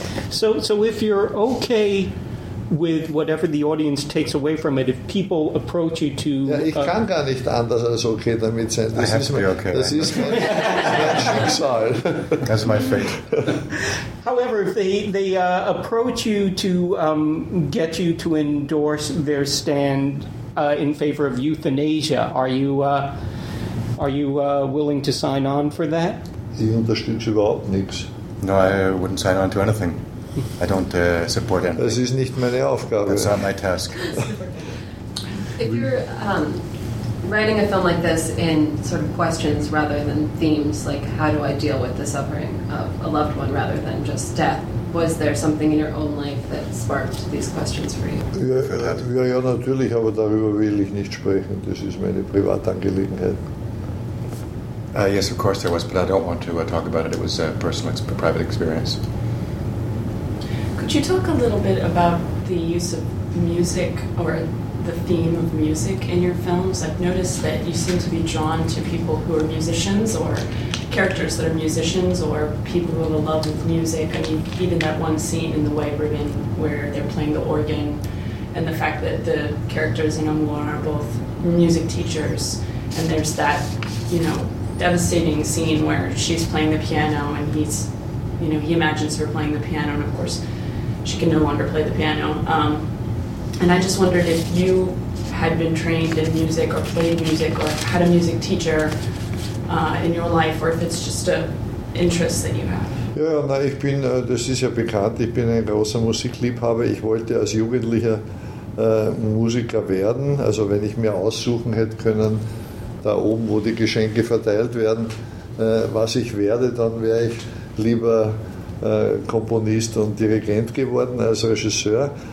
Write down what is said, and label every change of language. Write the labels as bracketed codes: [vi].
[en] So if you're okay with whatever the audience takes away from it, if people approach you to... [de] Ja, ich kann gar nicht anders als okay damit sein. [en] Das I have to be okay. [de] Das ist mein Schicksal. [en] That's my fate. However, if they approach you to get you to endorse their stand in favor of euthanasia, are you willing to sign on for that? [de] Ich unterstütze überhaupt nichts. [en] No, I wouldn't sign on to anything. I don't support him. [de] Das ist nicht meine Aufgabe. [en] That's not my task. If you're writing a film like this in sort of questions rather than themes, like how do I deal with the suffering of a loved one rather than just death, was there something in your own life that sparked these questions for you? [de] Ja, natürlich, aber darüber will ich nicht sprechen. Das ist meine Privatangelegenheit. [en] Yes, of course there was, but I don't want to talk about it. It was a personal, private experience. Could you talk a little bit about the use of music or the theme of music in your films? I've noticed that you seem to be drawn to people who are musicians or characters that are musicians or people who have a love with music. I mean, even that one scene in The White Ribbon where they're playing the organ and the fact that the characters in Amour are both music teachers, and there's that, you know, devastating scene where she's playing the piano and he's, you know, he imagines her playing the piano, and of course she can no longer play the piano. And I just wondered if you had been trained in music or played music or had a music teacher in your life, or if it's just an interest that you have. [de] Ja, na, ich bin, das ist ja bekannt, ich bin ein großer Musikliebhaber. Ich wollte als Jugendlicher Musiker werden. Also wenn ich mir aussuchen hätte können, da oben, wo die Geschenke verteilt werden, was ich werde, dann wäre ich lieber Komponist und Dirigent geworden als Regisseur.